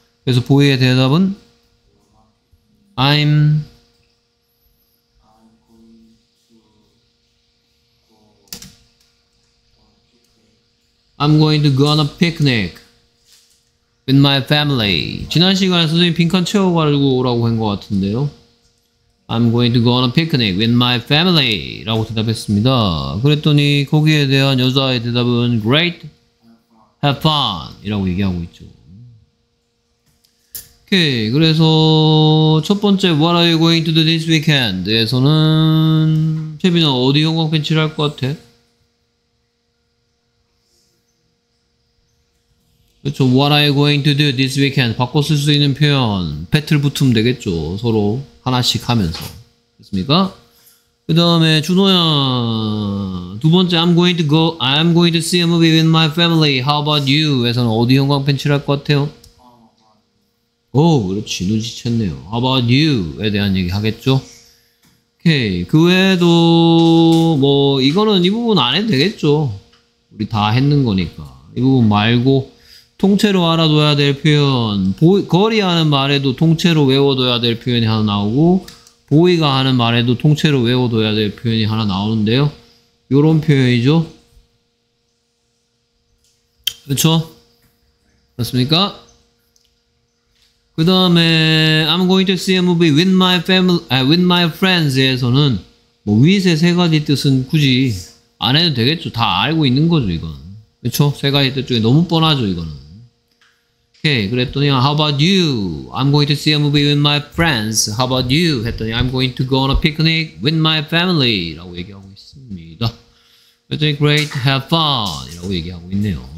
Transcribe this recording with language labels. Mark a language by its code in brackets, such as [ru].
[ko] 그래서 보이의 대답은 [en] I'm going to go on a picnic with my family. [ko] 지난 시간에 선생님 빈칸 채워가지고 오라고 한것 같은데요. [en] I'm going to go on a picnic with my family. [ko] 라고 대답했습니다. 그랬더니 거기에 대한 여자의 대답은 [en] Great. Have fun. [ko] 이라고 얘기하고 있죠. 오케이. 그래서 첫 번째 [en] What are you going to do this weekend? [ko] 에서는 채빈아 어디 형광펜 칠할 것 같아? 그렇죠. [en] What are you going to do this weekend? [ko] 바꿔 쓸 수 있는 표현. 배틀 붙으면 되겠죠. 서로 하나씩 하면서. 됐습니까? 그 다음에 준호야. 두 번째 [en] I'm going to see a movie with my family. How about you? [ko] 에서는 어디 형광펜 칠할 것 같아요? 오, 그렇지. 눈치챘네요. [en] How about you? [ko] 에 대한 얘기 하겠죠. 오케이. 그 외에도 뭐 이거는 이 부분 안 해도 되겠죠. 우리 다 했는 거니까. 이 부분 말고 통째로 알아둬야 될 표현, 거리하는 말에도 통째로 외워둬야 될 표현이 하나 나오고 보이가 하는 말에도 통째로 외워둬야 될 표현이 하나 나오는데요. 요런 표현이죠. 그렇죠? 맞습니까? 그 다음에 [en] I'm going to see a movie with my family, with my friends [ko] 에서는 뭐 with의 세 가지 뜻은 굳이 안 해도 되겠죠. 다 알고 있는 거죠, 이건. 그렇죠? 세 가지 뜻 중에 너무 뻔하죠, 이거는. 오케이. 그랬더니 [en] How about you? I'm going to see a movie with my friends. How about you? 했더니 I'm going to go on a picnic with my family. [ko] 라고 얘기하고 있습니다. [en] 그랬더니 Great. Have fun. [ko] 이라고 얘기하고 있네요.